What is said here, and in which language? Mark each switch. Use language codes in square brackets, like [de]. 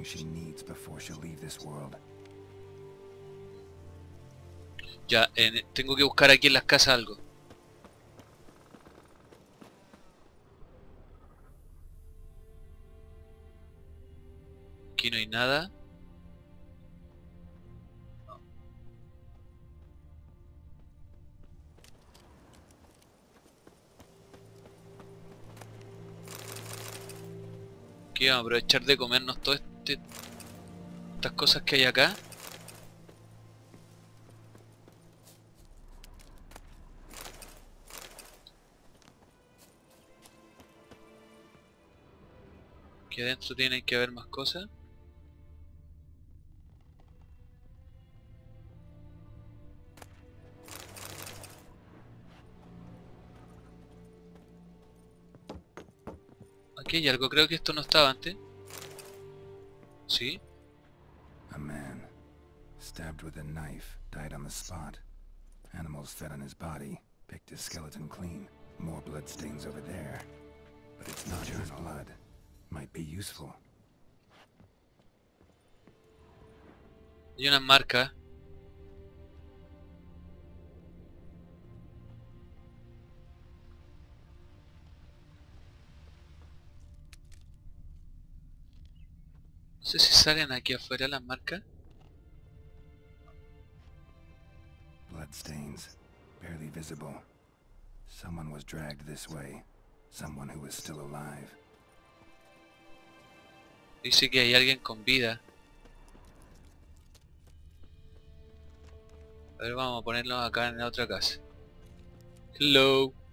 [en] everything she needs before she'll leave this world. [es] Ya, tengo que buscar aquí en las casas algo. Aquí no hay nada. Aquí vamos a aprovechar de comernos todas estas cosas que hay acá. Aquí adentro tienen que haber más cosas. Y algo, creo que esto no estaba antes. ¿Sí? [en] A man stabbed with a knife died on the spot. Animals fed on his body, picked his skeleton clean. More blood stains over there. But it's not your blood. Might be useful. [es] Hay una marca. No sé si salen aquí afuera las marcas. [en] Bloodstains, barely visible. Someone was dragged this way. Someone who was still alive. [es] Dice que hay alguien con vida. A ver, vamos a ponerlo acá en la otra casa. [en] Hello.